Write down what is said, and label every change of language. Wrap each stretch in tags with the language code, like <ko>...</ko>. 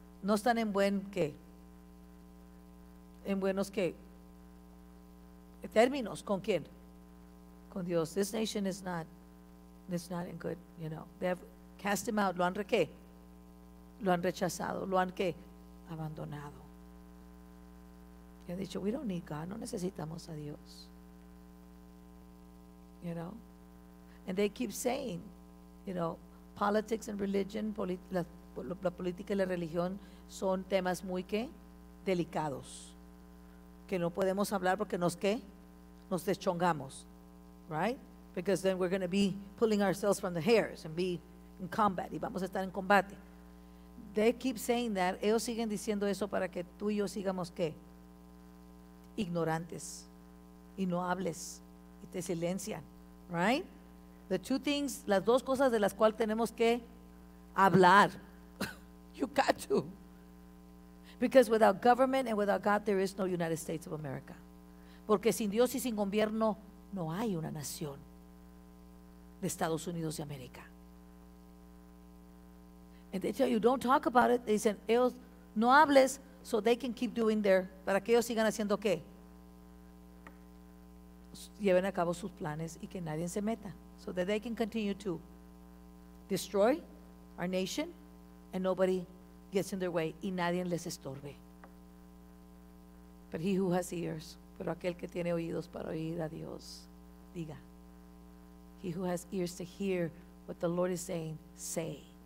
<es>No están en buen qué, en buenos qué términos, ¿con quién? Con Dios.</es> <en>This nation is not in good, you know. They have cast him out.</en> <es>Lo han rechazado, abandonado. Y han dicho,</es> <en>we don't need God,</en> <es>no necesitamos a Dios.</es> <en>You know? And they keep saying, you know, politics and religion,</en> <es>la política y la religión son temas muy qué, delicados. Que no podemos hablar porque nos qué, nos deschongamos, right?</es> <en>Because then we're going to be pulling ourselves from the hairs and be in combat,</en> <es>y vamos a estar en combate.</es> <en>They keep saying that.</en> <es>Ellos siguen diciendo eso para que tú y yo sigamos qué, ignorantes, y no hables, y te silencian, right?</es> <en>The two things,</en> <es>las dos cosas de las cuales tenemos que hablar.</es> <en>You got to. Because without government and without God, there is no United States of America.</en> <es>Porque sin Dios y sin gobierno no hay una nación de Estados Unidos de América.</es> <en>And they tell you, don't talk about it. They say,</en> <es>ellos, no hables,</es> <en>so they can keep doing their,</en> <es>para que ellos sigan haciendo qué. Lleven a cabo sus planes y que nadie se meta.</es> <en>So that they can continue to destroy our nation and nobody gets in their way</en> <es>y nadie les estorbe.</es> <en>But he who has ears,</en> <es>pero aquel que tiene oídos para oír a Dios, diga.</es> <en>He who has ears to hear what the Lord is saying, say.</en>